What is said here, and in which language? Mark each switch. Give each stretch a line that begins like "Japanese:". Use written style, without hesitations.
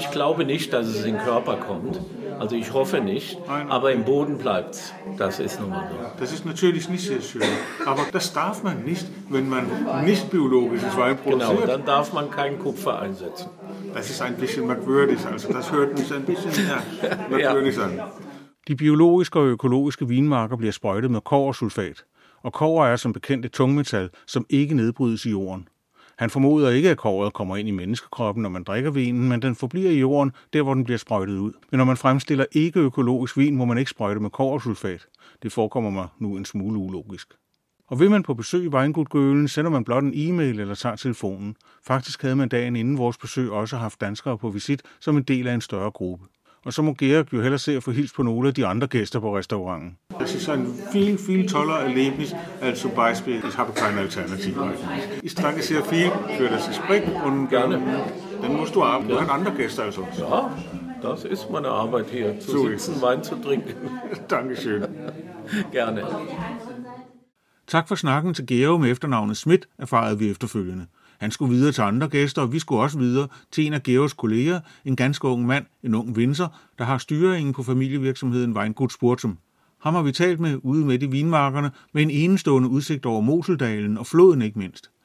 German: Ich glaube nicht, dass es in den Körper kommt. Also ich hoffe nicht, aber im Boden bleibt es. Das ist nun mal so. Das ist natürlich nicht sehr schön. Aber das darf man nicht, wenn man nicht biologisches Wein produziert. Genau, dann darf man keinen Kupfer einsetzen. Das ist ein bisschen merkwürdig. Also das hört mich ein bisschen merkwürdig an.
Danish: De biologiske og økologiske vinmarker bliver sprøjtet med kobbersulfat, og kobber er som bekendt et tungmetal, som ikke nedbrydes i jorden. Han formoder ikke, at kobberet kommer ind i menneskekroppen, når man drikker vinen, men den forbliver i jorden, der hvor den bliver sprøjtet ud. Men når man fremstiller ikke økologisk vin, må man ikke sprøjte med kobbersulfat. Det forekommer mig nu en smule ulogisk. Og vil man på besøg i Weingutgølen, sender man blot en e-mail eller tager telefonen. Faktisk havde man dagen inden vores besøg også haft danskere på visit som en del af en større gruppe. Og så må Georg jo hellere se at få hils på nogle af de andre gæster på restauranten. Jeg synes, det er en
German: viel, viel toller erlebnis,
Danish: altså beispiel, jeg har ikke en alternativ. Jeg trækker sig viel for det gesprek, og
German: gerne.
Danish: Den må du arbejde. Du har andre gæster altså.
German: Ja, das ist meine Arbeit hier, zu sitzen, Wein zu trinken. Dankeschön. Gerne.
Danish: Tak for snakken til Georg med efternavnet Schmidt, erfarede vi efterfølgende. Han skulle videre til andre gæster, og vi skulle også videre til en af Georgs kolleger, en ganske ung mand, en ung vinser, der har styringen på familievirksomheden Weingut Spurtum. Ham har vi talt med ude midt i vinmarkerne, med en enestående udsigt over Moseldalen og floden ikke mindst.